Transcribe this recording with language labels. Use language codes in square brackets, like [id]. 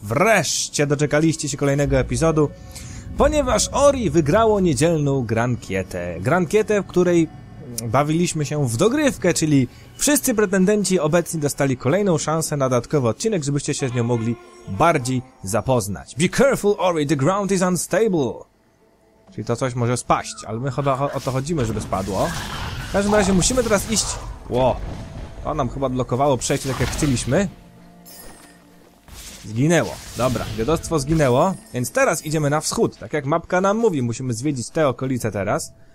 [pl] Wreszcie doczekaliście się kolejnego epizodu, ponieważ Ori wygrało niedzielną grankietę. Grankietę, w której bawiliśmy się w dogrywkę, czyli wszyscy pretendenci obecni dostali kolejną szansę na dodatkowy odcinek, żebyście się z nią mogli bardziej zapoznać. [en] Be careful, Ori, the ground is unstable. [pl] Czyli to coś może spaść, ale my chyba o to chodzimy, żeby spadło. W każdym razie musimy teraz iść... Ło! To nam chyba blokowało przejście tak jak chcieliśmy. Zginęło. Dobra, dziadostwo zginęło. Więc teraz idziemy na wschód. Tak jak mapka nam mówi, musimy zwiedzić te okolice teraz.